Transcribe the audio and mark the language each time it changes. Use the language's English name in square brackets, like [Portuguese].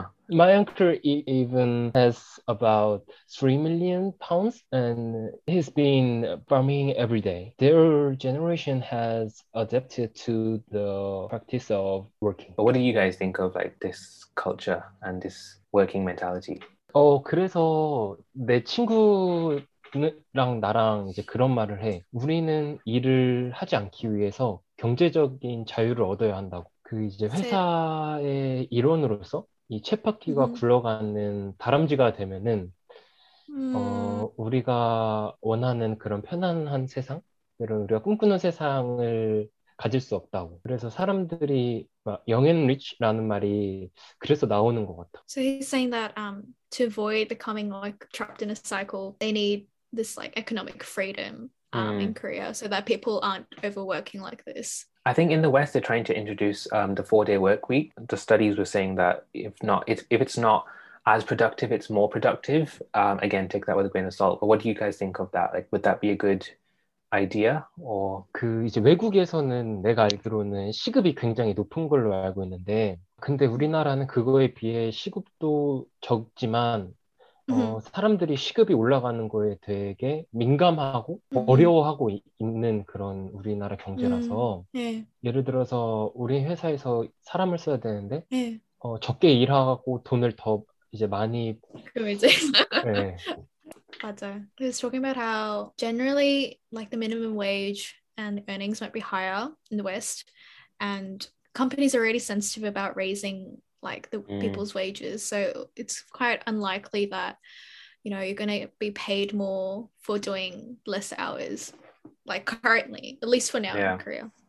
[English] My uncle even has about £3 million and he's been farming every day. Their generation has adapted to the practice of working. But what do you guys think of like this culture and this working mentality? [Korean] 그래서 내 친구랑 나랑 이제 그런 말을 해. 우리는 일을 하지 않기 위해서 경제적인 자유를 얻어야 한다고. 그 이제 회사의 일원으로서 이 쳇바퀴가 굴러가는 다람쥐가 되면은 우리가 원하는 그런 편안한 세상, 이런 우리가 꿈꾸는 세상을 가질 수 없다고. 그래서 사람들이 막 [English] young and rich [Korean] 라는 말이 그래서 나오는 것 같아. [English] So he's saying that to avoid becoming like trapped in a cycle, they need this like economic freedom in Korea so that people aren't overworking like this. I think in the West they're trying to introduce the 4-day work week. The studies were saying that if it's not as productive, it's more productive. Again, take that with a grain of salt. But what do you guys think of that? Like, would that be a good idea? Or [Korean] 그 이제 외국에서는 내가 알기로는 시급이 굉장히 높은 걸로 알고 있는데, 근데 우리나라는 그거에 비해 시급도 적지만 사람들이 시급이 올라가는 거에 되게 민감하고 어려워하고 있는 그런 우리나라 경제라서 네. 예를 들어서 우리 회사에서 사람을 써야 되는데 네. 적게 일하고 돈을 더 이제 많이 그럼 이제 네. 맞아요. [English] He was talking about how generally like the minimum wage and earnings might be higher in the West and companies are already sensitive about raising like the people's wages. So it's quite unlikely that, you know, you're going to be paid more for doing less hours, like currently, at least for now in Korea.